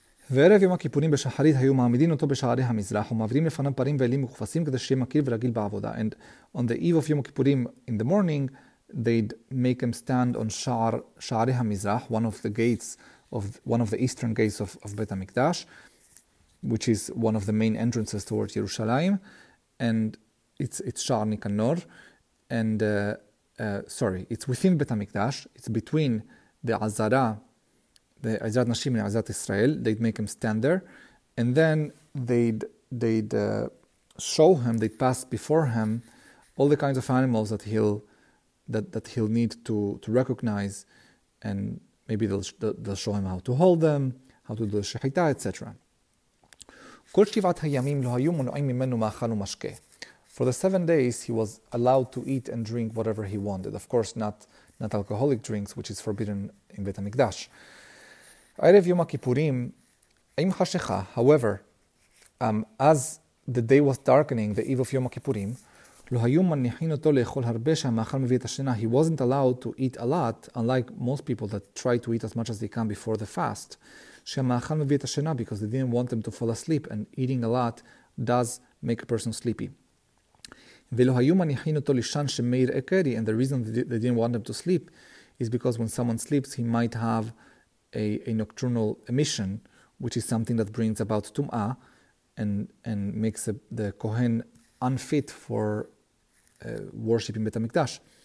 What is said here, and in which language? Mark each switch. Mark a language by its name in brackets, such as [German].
[Hebrew] וערב יום הכיפורים בשחרית היו מעמידים אותו בשערי המזרח ומעבירים לפניו פרים ואלים מכופסים כדי שיהיה מכיר ורגיל בעבודה. [English] And on the eve of יום הכיפורים, in the morning, they'd make him stand on שערי המזרח, one of the gates of one of the eastern gates of Bet HaMikdash, which is one of the main entrances towards Yerushalayim, and it's Shar Nikanor, and it's within Bet HaMikdash, it's between the Azara, the Azrat Nashim and Azrat Israel. They'd make him stand there, and then they'd show him, they'd pass before him all the kinds of animals that he'll need to recognize, and maybe they'll show him how to hold them, how to do the shechita, etc. [Hebrew] כל שבעת הימים לא היו מונעים ממנו מאכל ומשקה. [English] For the 7 days, he was allowed to eat and drink whatever he wanted. Of course, not alcoholic drinks, which is forbidden in Bet HaMikdash. [Hebrew] ערב יום הכיפורים, עם חשיכה, [English] however, as the day was darkening, the eve of [Hebrew] יום הכיפורים, לא היו מניחים אותו לאכול הרבה שהמאכל מביא את השינה. [English] He wasn't allowed to eat a lot, unlike most people that try to eat as much as they can before the fast, [Hebrew] שהמאכל מביא את השינה, [English] because they didn't want them to fall asleep, and eating a lot does make a person sleepy. [Hebrew] ולא היו מניחים אותו לישן שמאיר עקרי, [English] and the reason they didn't want them to sleep is because when someone sleeps, he might have a nocturnal emission, which is something that brings about tum'ah and makes the Kohen unfit for worshiping Bet HaMikdash.